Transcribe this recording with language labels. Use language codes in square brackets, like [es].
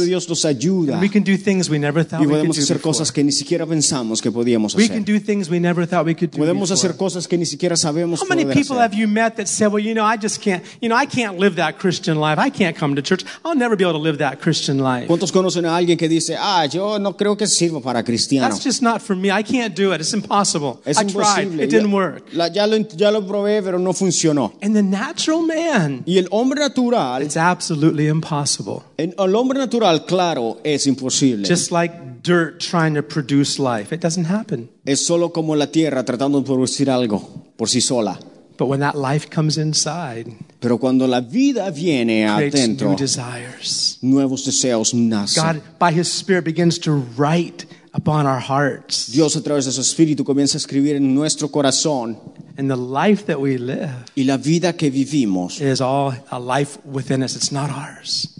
[es] De Dios nos ayuda. [en] And we can do things we never thought [es] y podemos [en] we could [es] hacer [en] do [es] cosas [en] before. [es] Que ni siquiera pensamos que podíamos [en] we [es] hacer. [en] Can do things we never thought we could do [es] podemos [en] before. [es] Hacer cosas que ni siquiera sabemos [en] how many people [es] hacer? [en] Have you met that said, well, you know, I can't live that Christian life. I can't come to church. I'll never be able to live that Christian life. [es] ¿Cuántos conocen a alguien que dice, yo no creo que sirva para cristiano? [en] That's just not for me. I can't do it. It's impossible. [es] Es [en] I [es] imposible. [en] Tried. It didn't work. [es] Ya lo probé, pero no funcionó. [en] And the natural man. [es] Y el hombre natural. [en] It's absolutely impossible. [es] El hombre natural, claro, es imposible. [en] Just like dirt trying to produce life. It doesn't happen. [es] Es solo como la tierra tratando de producir algo por sí sola. [en] But when that life comes inside, [es] pero cuando la vida viene adentro, [en] new desires. [es] Nuevos deseos nacen. [en] God, by His Spirit, begins to write upon our hearts. [es] Dios a través de su espíritu comienza a escribir en nuestro corazón. [en] And the life that we live, [es] y la vida que vivimos, [en] is all a life within us. It's not ours.